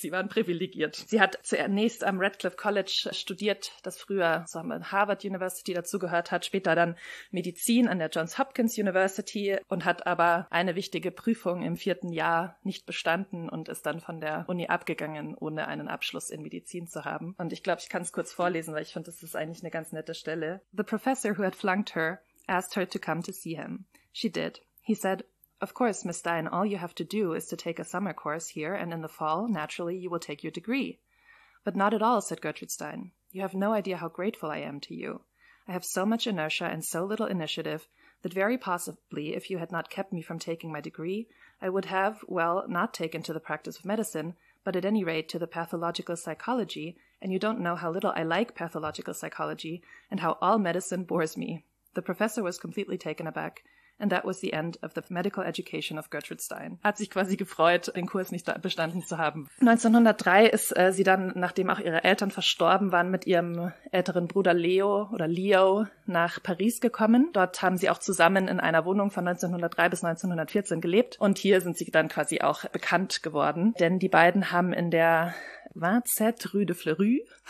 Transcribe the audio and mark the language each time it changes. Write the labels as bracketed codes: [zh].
[de] Sie waren privilegiert. Sie hat zunächst am Radcliffe College studiert, das früher so haben wir Harvard University dazugehört hat, später dann Medizin an der Johns Hopkins University und hat aber eine wichtige Prüfung im vierten Jahr nicht bestanden und ist dann von der Uni abgegangen, ohne einen Abschluss in Medizin zu haben. Und ich glaube, ich kann es kurz vorlesen, weil ich finde, das ist eigentlich eine ganz nette Stelle. [en] The professor who had flunked her asked her to come to see him. She did. He said, "Of course, Miss Stein, all you have to do is to take a summer course here, and in the fall, naturally, you will take your degree." "But not at all," said Gertrude Stein. "You have no idea how grateful I am to you. I have so much inertia and so little initiative that very possibly, if you had not kept me from taking my degree, I would have, well, not taken to the practice of medicine, but at any rate to the pathological psychology, and you don't know how little I like pathological psychology and how all medicine bores me." The professor was completely taken aback. And that was the end of the medical education of Gertrude Stein. [de] Hat sich quasi gefreut, den Kurs nicht bestanden zu haben. 1903 ist sie dann, nachdem auch ihre Eltern verstorben waren, mit ihrem älteren Bruder Leo nach Paris gekommen. Dort haben sie auch zusammen in einer Wohnung von 1903 bis 1914 gelebt. Und hier sind sie dann quasi auch bekannt geworden. Denn die beiden haben in der Vingt-Sept Rue de Fleury.